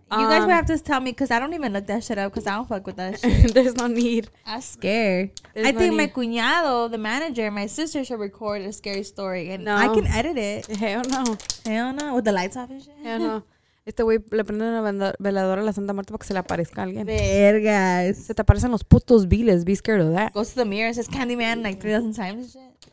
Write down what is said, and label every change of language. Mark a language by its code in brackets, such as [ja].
[en] You guys would have to tell me because I don't even look that shit up because I don't fuck with that shit. There's no need. I'm scared. There's I no think need. My cuñado, the manager, my sister should record a scary story. And no. I can edit it. Hell no. Hell no. With the lights off and shit? Hell no. [es] Este güey le prende una veladora a la Santa Muerte para que se le aparezca a alguien. Vergas. Se te aparecen los putos biles. [en] Be scared of that. Goes to the mirror and says Candyman like 3,000 times and shit.